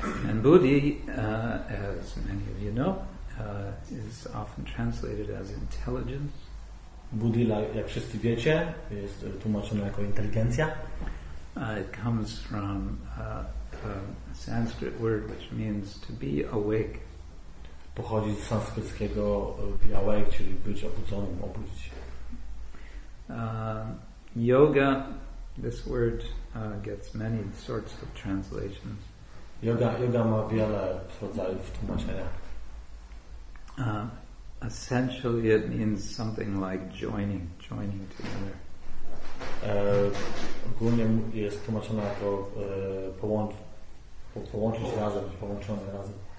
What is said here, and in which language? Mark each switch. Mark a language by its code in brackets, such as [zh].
[en] And buddhi, as many of you know, is often translated as intelligence. [pl] Buddhi, jak wszyscy wiecie, jest tłumaczone jako inteligencja. [en] It comes from a Sanskrit word which means to be awake. [pl] Pochodzi z sanskryckiego awake, czyli być obudzonym, obudzić. [en] Yoga, this word gets many sorts of translations. [pl] Yoga ma wiele rodzajów tłumaczenia. [en] Essentially it means something like joining together. [pl] Ogólnie jest tłumaczone jako połączyć razem, połączone razem.